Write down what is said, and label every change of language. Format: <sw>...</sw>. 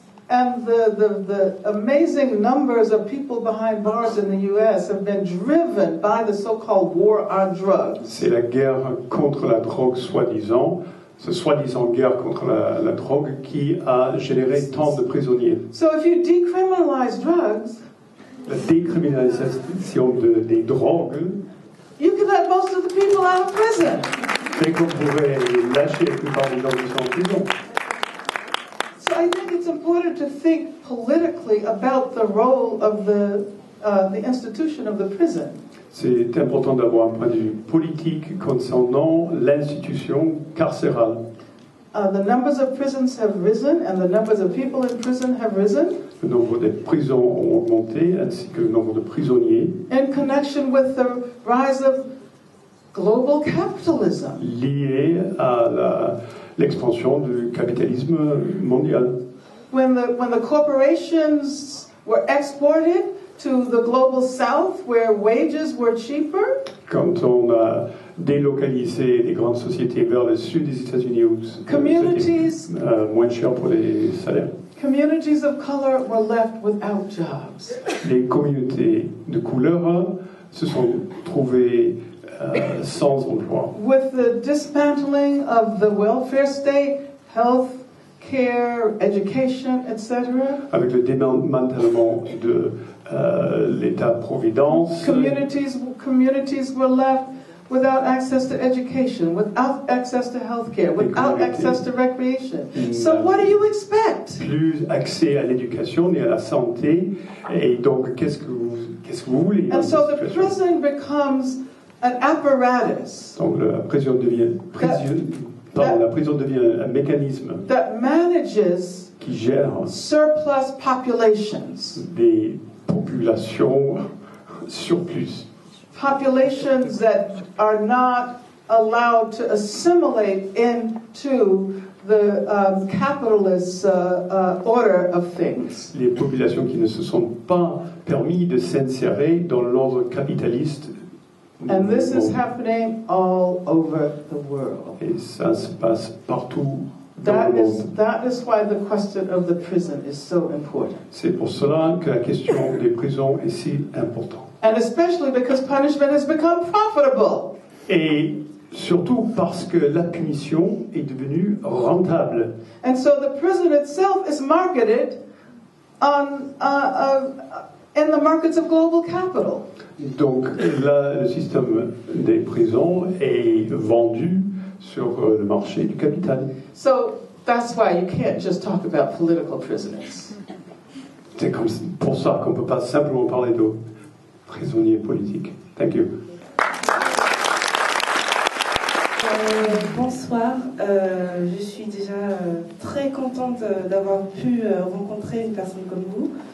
<en>And the amazing numbers of people behind bars in the U.S. have been driven by the so-called war on drugs.</en> <fr>C'est la guerre contre la drogue soi-disant, ce soi-disant guerre contre la drogue qui a généré tant de prisonniers.</fr> <en>So if you decriminalize drugs,</en> <fr>la décriminalisation des drogues,</fr> <en>you can let most of the people out of prison.</en> <fr>C'est qu'on pourrait lâcher la plupart des gens qui sont en prison.</fr> <en>So I think it's important to think politically about the role of the institution of the prison.</en> <fr>C'est important d'avoir un point de vue politique concernant l'institution carcérale.</fr> <en>The numbers of prisons have risen, and the numbers of people in prison have risen.</en> <fr>Le nombre des prisons ont augmenté, ainsi que le nombre de prisonniers.</fr> <en>In connection with the rise of global capitalism.</en> <fr>Lié à l'expansion du capitalisme mondial.</fr> <en>When the corporations were exported to the global south where wages were cheaper.</en> <fr>Quand on a délocalisé des grandes sociétés vers le sud des États-Unis où</fr> <en>communities</en> <fr>moins cher pour les salaires.</fr> <en>Communities of color were left without jobs.</en> <fr>Les communautés de couleur se sont trouvées sans emploi.</fr> <en>With the dismantling of the welfare state, health care, education, etc.</en> <fr>Avec le démantèlement de l'État providence.</fr> <en>Communities were left without access to education, without access to health care, without access to recreation. So what do you expect?</en> <fr>Plus accès à l'éducation ni à la santé, et donc qu'est-ce que vous voulez?</fr> <en>And so the prison becomes an apparatus.</en> <fr>Donc la prison devient un mécanisme</fr> <en>that manages</en> <fr>qui gère</fr> <en>surplus populations.</en> <fr>Des populations surplus.</fr> <en>Populations that are not allowed to assimilate into the capitalist order of things.</en> <fr>Les populations qui ne se sont pas permis de s'insérer dans l'ordre capitaliste.</fr> <en>And this is happening all over the world.</en> <fr>Et ça se passe partout dans le monde.</fr> <en>That is why the question of the prison is so important.</en> <fr>C'est pour cela que la question des prisons est si importante.</fr> <en>And especially because punishment has become profitable.</en> <fr>Et surtout parce que la punition est devenue rentable.</fr> <en>And so the prison itself is marketed on in the markets of global capital.</en> <fr>Donc, le système des prisons est vendu sur le marché du capital.</fr> <en>So, that's why you can't just talk about political prisoners.</en> <fr>C'est comme pour ça qu'on ne peut pas simplement parler de prisonniers politiques.</fr> <en>Thank you.</en> <fr>Bonsoir. Je suis déjà très contente d'avoir pu rencontrer une personne comme vous.</fr>